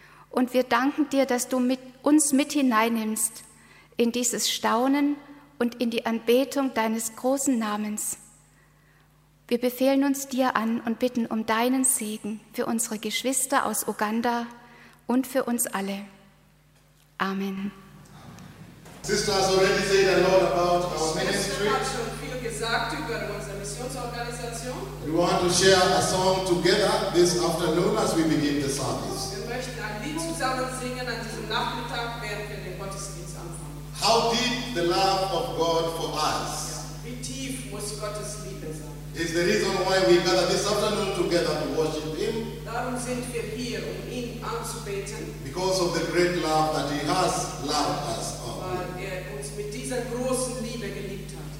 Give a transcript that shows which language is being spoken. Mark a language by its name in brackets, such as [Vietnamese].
[German] Und wir danken dir, dass du uns mit hineinnimmst in dieses Staunen und in die Anbetung deines großen Namens. Wir befehlen uns dir an und bitten um deinen Segen für unsere Geschwister aus Uganda und für uns alle. Amen. [English] Sister has already said a lot about our ministry. [German] Hat schon viel gesagt über unsere Missionsorganisation. [English] We want to share a song together this afternoon as we begin the service. [German] Wir möchten ein Lied zusammen singen an diesem Nachmittag, während wir den Gottesdienst anfangen. [English] How deep the love of God for us. [German] Wie tief muss Gottes Liebe sein? [English] Is the reason why we gather this afternoon together to worship Him. [German] Darum sind wir hier, ihn anzubeten. [English] Because of the great love that He has loved us. [German] Weil uns mit dieser großen Liebe geliebt hat.